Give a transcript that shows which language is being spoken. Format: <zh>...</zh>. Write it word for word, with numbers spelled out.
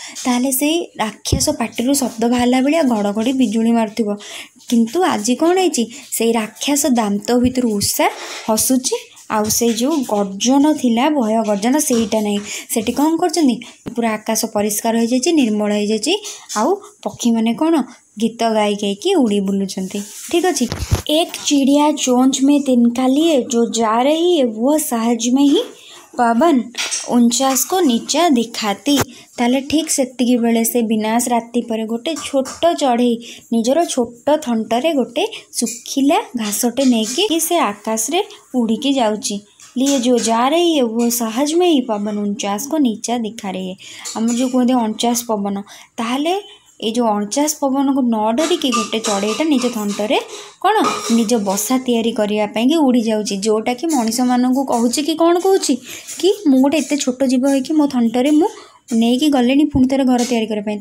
<or>ତାହେଲେ ସେଇ ରାକ୍ଷସ ପାଟିରୁ ଶବ୍ଦ ବାହାରିଲା ଭଳିଆ ଘଡ଼ଘଡ଼ି ବିଜୁଳି ମାରୁଥିବ। କିନ୍ତୁ ଆଜି କ'ଣ ହେଇଛି? ସେଇ ରାକ୍ଷସ ଦାନ୍ତ ଭିତରୁ ଉଷା ହସୁଛି। ଆଉ ସେଇ ଯେଉଁ ଗର୍ଜନ ଥିଲା, ଭୟ ଗର୍ଜନ, ସେଇଟା ନାହିଁ। ସେଠି କ'ଣ କରୁଛନ୍ତି? ପୁରା ଆକାଶ ପରିଷ୍କାର ହେଇଯାଇଛି, ନିର୍ମଳ ହେଇଯାଇଛି। ଆଉ ପକ୍ଷୀମାନେ କ'ଣ? गीत गाई गाई उड़ी बुलूचंती। ठीक अच्छे।</or> <hi>एक चिड़िया चोंच में तिनका लिए जो जा रही है वो सहज में ही पवन उनचास को नीचा दिखाती।</hi> <or>ତାହେଲେ ଠିକ୍ ସେତିକି ବେଳେ ସେ ବିନାଶ ରାତି ପରେ ଗୋଟେ ଛୋଟ ଚଢ଼େଇ ନିଜର ଛୋଟ ଥଣ୍ଟରେ ଗୋଟେ ଶୁଖିଲା ଘାସଟେ ନେଇକି ସେ ଆକାଶରେ ଉଡ଼ିକି ଯାଉଛି।</or> <hi>लिए जो जा रही है वो सहज में ही पवन उनचास को नीचा दिखा रही है।</hi> <or>ଆମର ଯେଉଁ କୁହନ୍ତି ଅଣଚାଶ ପବନ, ତାହେଲେ ଏଇ ଯେଉଁ ଅଣଚାଶ ପବନକୁ ନ ଡରିକି ଗୋଟେ ଚଢ଼େଇଟା ନିଜ ଥଣ୍ଟରେ କ'ଣ? ନିଜ ବସା ତିଆରି କରିବା ପାଇଁକି ଉଡ଼ି ଯାଉଛି। ଯେଉଁଟାକି ମଣିଷମାନଙ୍କୁ କହୁଛି କି କ'ଣ କହୁଛି କି ମୁଁ ଗୋଟେ ଏତେ ଛୋଟ ଜୀବ ହେଇକି ମୋ ଥଣ୍ଟରେ ମୁଁ ନେଇକି ଗଲେଣି ପୁଣି ଥରେ ଘର ତିଆରି କରିବା ପାଇଁ।</or>